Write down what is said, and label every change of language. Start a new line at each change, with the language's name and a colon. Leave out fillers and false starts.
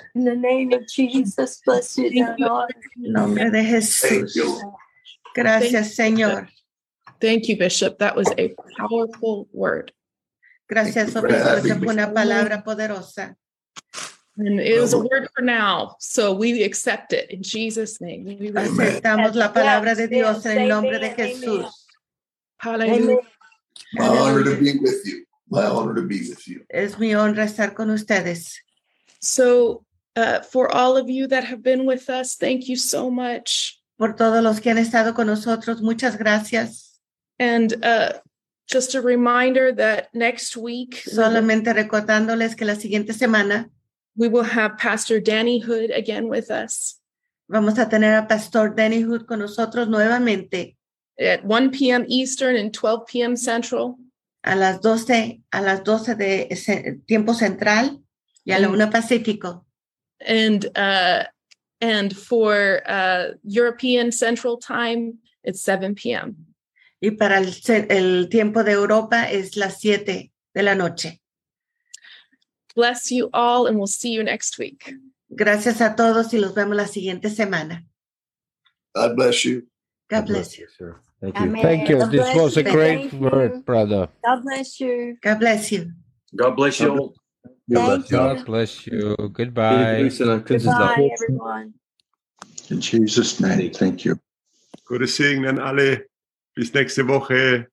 English: In the name of Jesus, bless you, Lord.
Spanish: Nombre de Jesús. Gracias, Señor.
English: Thank you, Bishop. That was a powerful word.
Spanish: Gracias, Obispo. Esa fue una palabra poderosa.
English: And it was a word for now, so we accept it in Jesus' name.
Spanish: Aceptamos la palabra de Dios en el nombre de Jesús.
English: Hallelujah. My honor to be with you. My honor to be with you.
Spanish: Es mi honra estar con ustedes.
English: So, for all of you that have been with us, thank you so much.
Spanish: Por todos los que han estado con nosotros, muchas gracias.
English: And just a reminder that next week,
Spanish: solamente recordándoles que la siguiente semana,
English: we will have Pastor Danny Hood again with us.
Spanish: Vamos a tener a Pastor Danny Hood con nosotros nuevamente.
English: At 1 p.m. Eastern and 12 p.m. Central.
Spanish: A las 12 de tiempo central y a la 1 Pacífico.
English: And for European Central Time, it's 7 p.m.
Spanish: Y para el tiempo de Europa es las 7 de la noche.
English: Bless you all, and we'll see you next week.
Spanish: Gracias a todos, y los vemos la siguiente semana.
English: God bless you. God bless you, sir. Thank you. Amen. Thank you. God this was you. A great word, brother. God bless you. God bless you. God bless you all. God bless you. Goodbye. Goodbye, everyone. In Jesus' name, thank you.
German: Gute Segen alle. Bis nächste Woche.